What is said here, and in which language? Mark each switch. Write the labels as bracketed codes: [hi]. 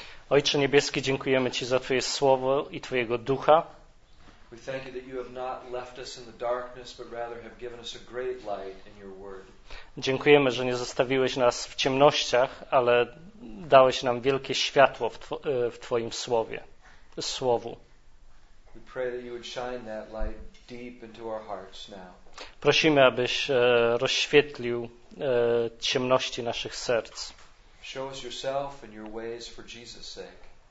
[pl] Ojcze Niebieski, dziękujemy Ci za Twoje Słowo i Twojego Ducha. [en] We thank you that you have not left us in the darkness, but rather have given us a great light in your word. [pl] Dziękujemy, że nie zostawiłeś nas w ciemnościach, ale dałeś nam wielkie światło w Twoim słowu. [en] We pray that you would shine that light deep into our hearts now. [pl] Prosimy, abyś rozświetlił ciemności naszych serc. [en] Show us yourself and your ways for Jesus' sake.